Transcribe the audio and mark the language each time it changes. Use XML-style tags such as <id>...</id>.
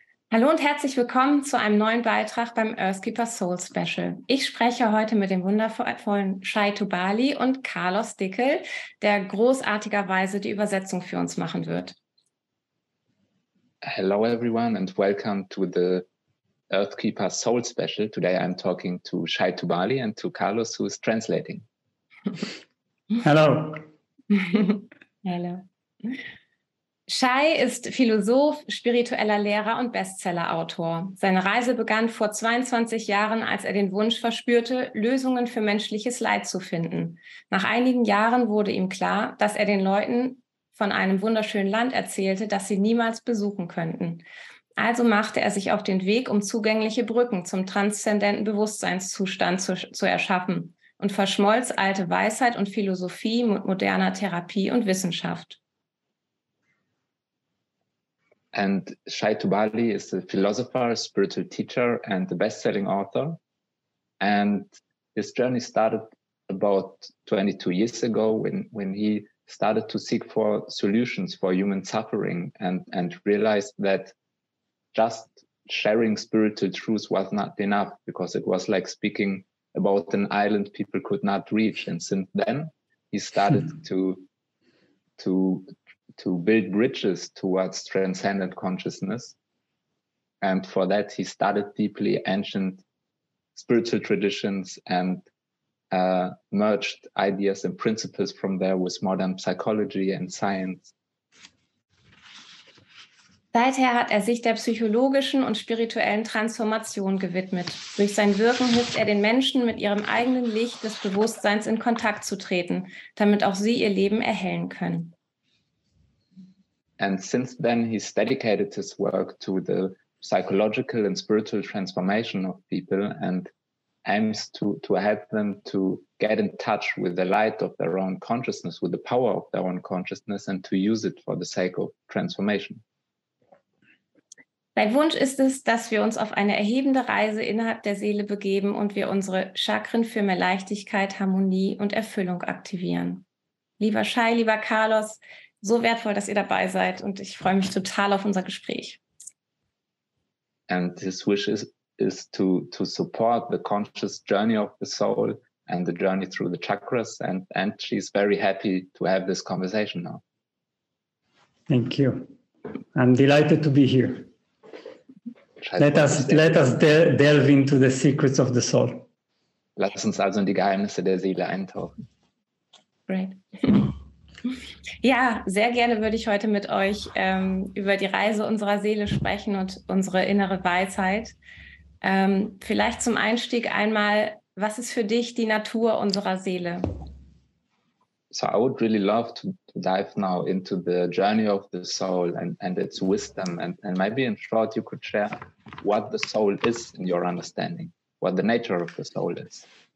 <de>Hallo und herzlich willkommen zu einem neuen Beitrag beim Earthkeeper Soul Special. Ich spreche heute mit dem wundervollen Shai Tubali und Carlos Dickel, der großartigerweise die Übersetzung für uns machen wird.</de> <en>Hello everyone and welcome to the Earthkeeper Soul Special. Today I'm talking to Shai Tubali and to Carlos, who is translating. Hello.</en> <de>Hello. Shai ist Philosoph, spiritueller Lehrer und Bestsellerautor. Seine Reise begann vor 22 Jahren, als er den Wunsch verspürte, Lösungen für menschliches Leid zu finden. Nach einigen Jahren wurde ihm klar, dass er den Leuten von einem wunderschönen Land erzählte, das sie niemals besuchen könnten. Also machte er sich auf den Weg, um zugängliche Brücken zum transzendenten Bewusstseinszustand zu erschaffen und verschmolz alte Weisheit und Philosophie mit moderner Therapie und Wissenschaft.</de> <en>And Shai Tubali is a philosopher, spiritual teacher, and a best-selling author. And his journey started about 22 years ago when he started to seek for solutions for human suffering and realized that just sharing spiritual truths was not enough, because it was like speaking about an island people could not reach. And since then, he started to build bridges towards transcendent consciousness. And for that, he studied deeply ancient spiritual traditions and merged ideas and principles from there with modern psychology and science.</en> <de>Seither hat er sich der psychologischen und spirituellen Transformation gewidmet. Durch sein Wirken hilft er den Menschen, mit ihrem eigenen Licht des Bewusstseins in Kontakt zu treten, damit auch sie ihr Leben erhellen können.</de> <en>And since then, he's dedicated his work to the psychological and spiritual transformation of people and aims to help them to get in touch with the light of their own consciousness, with the power of their own consciousness, and to use it for the sake of transformation.</en> <de>Sein Wunsch ist es, dass wir uns auf eine erhebende Reise innerhalb der Seele begeben und wir unsere Chakren für mehr Leichtigkeit, Harmonie und Erfüllung aktivieren. Lieber Shai, lieber Carlos, so wertvoll, dass ihr dabei seid, und ich freue mich total auf unser Gespräch.</de> <en>And his wish is to support the conscious journey of the soul and the journey through the chakras, and she's very happy to have this conversation now. Thank you. I'm delighted to be here. Let us delve into the secrets of the soul.</en> <de>Lass uns also in die Geheimnisse der Seele eintauchen.</de> <en>Great.</en> <de>Ja, sehr gerne würde ich heute mit euch über die Reise unserer Seele sprechen und unsere innere Weisheit. Vielleicht zum Einstieg einmal, was ist für dich die Natur unserer Seele?</de> <en>So I would really love to dive now into the journey of the soul and its wisdom. And maybe in short you could share what the soul is in your understanding, what the nature of the soul is.</en>